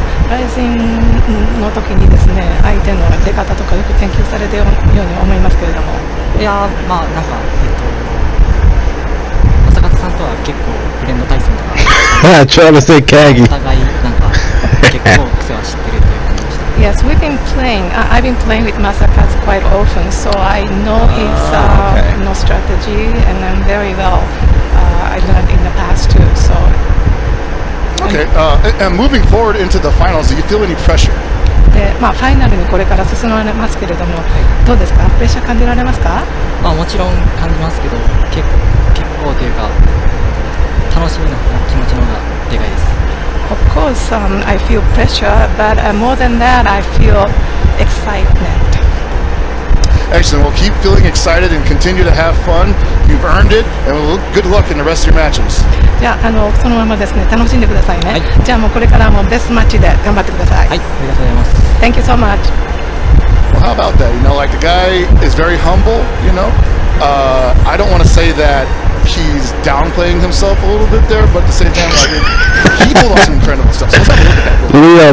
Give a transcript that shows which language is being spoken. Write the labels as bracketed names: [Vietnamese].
[Japanese] ライジンの時にですね、相手の出方とかよく研究されているように思いますけれども、いやー、まあなんか、朝方さんとは結構フレンド対戦とか、ああ、ちょうどせっかく、お互いなんか結構癖は知ってるという感じでした。 [English] Yes, we've been playing. I've been playing with Masakatsu quite often, so I know his no strategy and I'm very well. I learned in the past too, so. Okay, and moving forward into the finals, do you feel any pressure? [Japanese] で、まあ、ファイナルにこれから進まれますけれども、はい、どうですか、プレッシャー感じられますか。まあ、もちろん感じますけど、結構というか楽しみな気持ちの方がでかいです。 [English] Of course、I feel pressure, but、more than that I feel excitement Excellent. Well, keep feeling excited and continue to have fun. You've earned it, and good luck in the rest of your matches. [Japanese] Yeah, そのままですね、楽しんでくださいね。じゃあもうこれからもベストマッチで頑張ってください。はい、ありがとうございます。 [English] Thank you so much. Well, how about that? You know, like the guy is very humble, you know? I don't want to say that he's downplaying himself a little bit there, but at the same time, like, he pulled off some incredible stuff. So let's have a look at that.